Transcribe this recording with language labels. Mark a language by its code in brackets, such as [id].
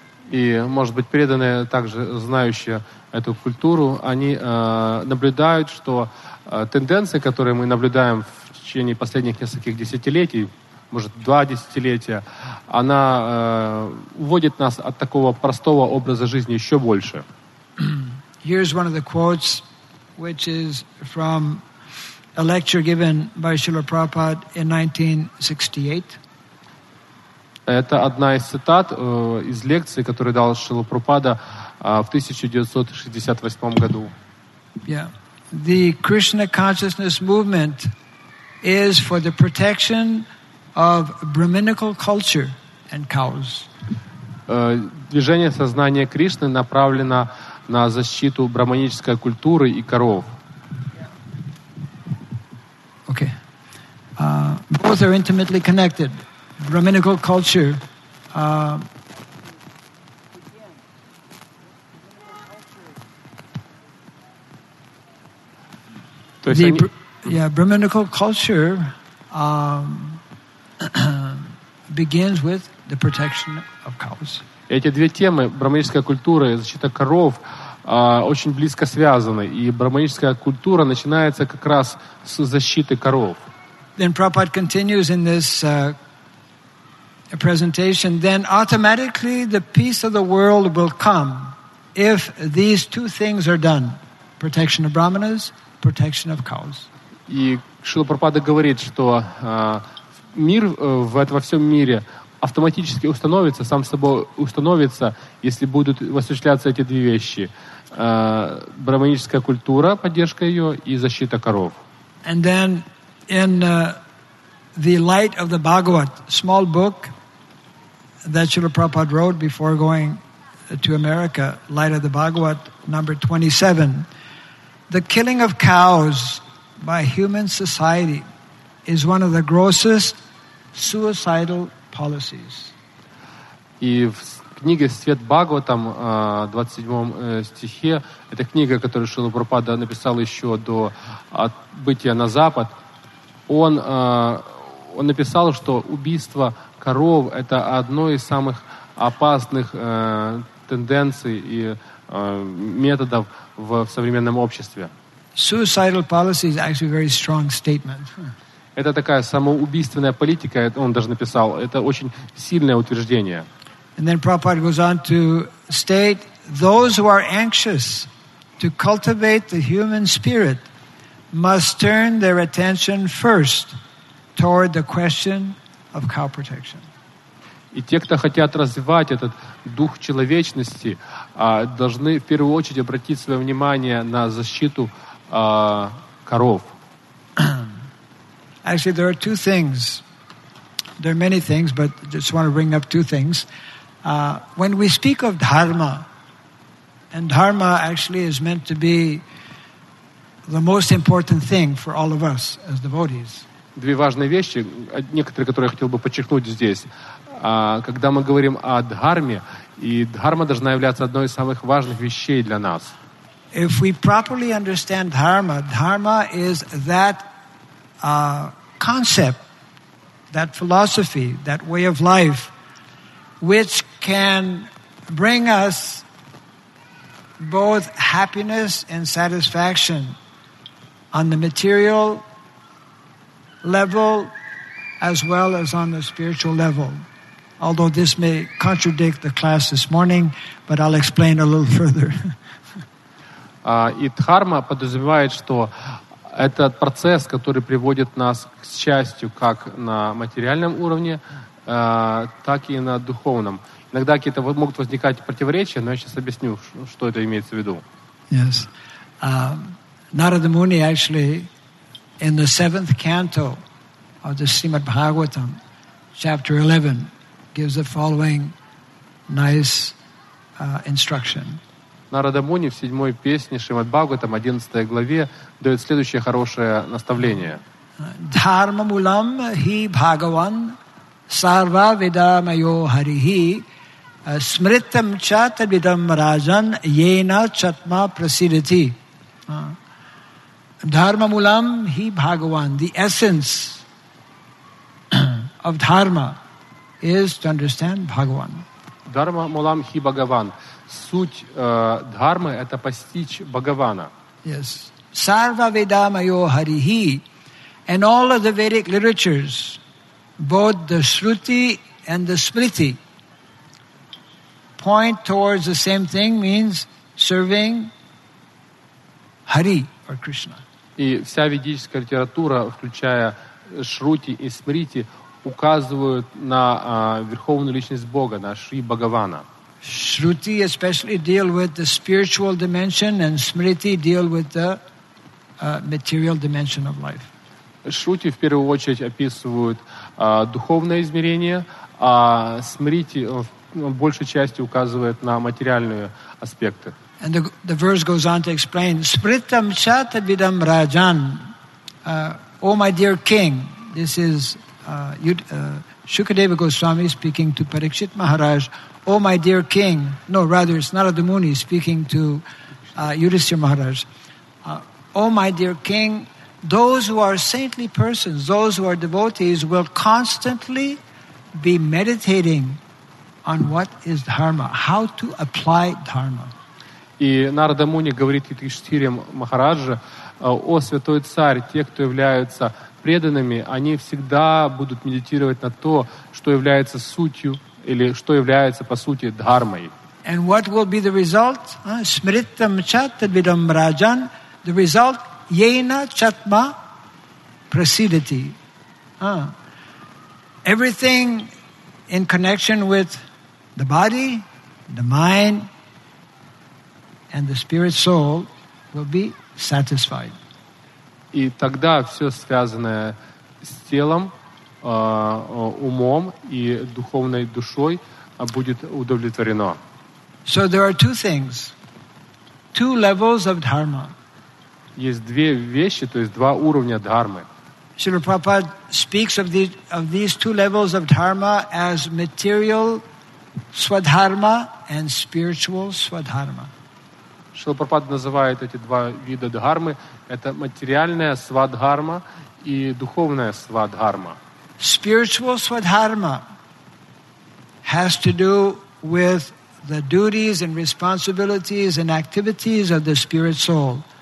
[ru] И, может быть, преданные, также знающие эту культуру, они наблюдают, что тенденции, которые мы наблюдаем в течение последних нескольких десятилетий, может, два десятилетия, она уводит нас от такого простого образа жизни еще больше. [en] Here's one of the quotes, which is from a lecture given by Srila Prabhupada in 1968. [ru] Это одна из цитат из лекции, которую дал Шрила Прабхупада в 1968 году. [en] Yeah. The Krishna consciousness movement is for the protection of Brahminical culture and cows. [ru] Движение сознания Кришны направлено на защиту брахманической культуры и коров. [en] Yeah. Okay. Both are intimately connected. Brahminical culture Brahminical culture begins with the protection of cows. [ru] Эти две темы, брахманическая культура и защита коров, очень близко связаны, и брахманическая культура начинается как раз с защиты коров. [en] Then Prabhupada continues in this a presentation, then automatically the peace of the world will come if these two things are done: protection of brahmanas, protection of cows. [ru] И Шрила Прабхупада говорит, что мир во всем мире автоматически установится, сам собой установится, если будут осуществляться эти две вещи: брахманическая культура, поддержка ее, и защита коров. [en] And then in the light of the Bhagavat, small book, that Srila Prabhupada wrote before going to America, Light of the Bhagavat, number 27. The killing of cows by human society is one of the grossest suicidal policies. [ru] И в книге «Свет Бхагаватам», 27 стихе, это книга, которую Шрила Прабхупада написал еще до отбытия на Запад, он написал, что убийство коров – это одно из самых опасных тенденций и методов в современном обществе. [en] Suicidal policy is actually a very strong statement. [ru] Это такая самоубийственная политика, он даже написал, это очень сильное утверждение. [en] And then Prabhupada goes on to state, those who are anxious to cultivate the human spirit must turn their attention first toward the question of cow protection. [ru] И те, кто хотят развивать этот дух человечности, должны в первую очередь обратить свое внимание на защиту коров. [en] Actually, there are two things. There are many things, but just want to bring up two things. When we speak of dharma, and dharma actually is meant to be the most important thing for all of us as devotees. [ru] Две важные вещи, некоторые, которые я хотел бы подчеркнуть здесь. Когда мы говорим о дхарме, и дхарма должна являться одной из самых важных вещей для нас. [en] If we properly understand dharma, dharma is that concept, that philosophy, that way of life, which can bring us both happiness and satisfaction on the material level as well as on the spiritual level. Although this may contradict the class this morning, but I'll explain a little further. [ru] И дхарма подразумевает, что этот процесс, который приводит нас к счастью как на материальном уровне, так и на духовном. Иногда какие-то могут возникать противоречия, но я сейчас объясню, что это имеется в виду. [en] Yes. Narada Muni actually in the 7th canto of the Srimad Bhagavatam, chapter 11, gives the following nice instruction. [ru] Narada Muni в 7-й песне Srimad Bhagavatam, 11-й главе, дает следующее хорошее наставление. [sa] Dharma mulam hi Bhagavan sarva vidamayo harihi smritam cha tadvidam rajan yena chatma prasidati. Dharma mulam hi Bhagavan, [en] the essence of dharma is to understand Bhagavan. [sa] Dharma mulam hi Bhagavan. [ru] Суть дхармы – это постичь Бхагавана. [en] Yes. [sa] Sarva vidamayo harihi. [en] And all of the Vedic literatures, both the Shruti and the Smriti, point towards the same thing, means serving Hari or Krishna. [ru] И вся ведическая литература, включая Шрути и Смрити, указывают на верховную личность Бога, на Шри Бхагавана. [en] Shruti especially deal with the spiritual dimension and Smriti deal with the material dimension of life. [ru] Шрути в первую очередь описывают духовное измерение, а Смрити большей частью указывает на материальные аспекты. [en] And the verse goes on to explain, [sa] Smritam cha tadvidam rajan, [en] O my dear king, this is Shukadeva Goswami speaking to Parikshit Maharaj, O my dear king, no, rather it's Narada Muni speaking to Yudhisthira Maharaj, O my dear king, those who are saintly persons, those who are devotees, will constantly be meditating on what is dharma, how to apply dharma. [ru] И Нарада Муни говорит Юдхиштхире Махараджа, о святой царь, те, кто являются преданными, они всегда будут медитировать на то, что является сутью или что является по сути дхармой. [en] And what will be the result? [sa] Smritam cha tadvidam rajan. [en] The result? [sa] Yena chatma prasidati. [en] Everything in connection with the body, the mind, and the spirit soul will be satisfied. [ru] И тогда все связанное с телом, умом и духовной душой будет удовлетворено. [en] So there are two things, two levels of dharma. [ru] Есть две вещи, то есть два уровня дхармы. [en] Srila Prabhupada speaks of these two levels of dharma as material swadharma and spiritual swadharma. [ru] Srila Prabhupada называет эти два вида дхармы это материальная свадхарма и духовная свадхарма. [en] Spiritual swadharma has to do with the duties and responsibilities and activities of the spirit soul.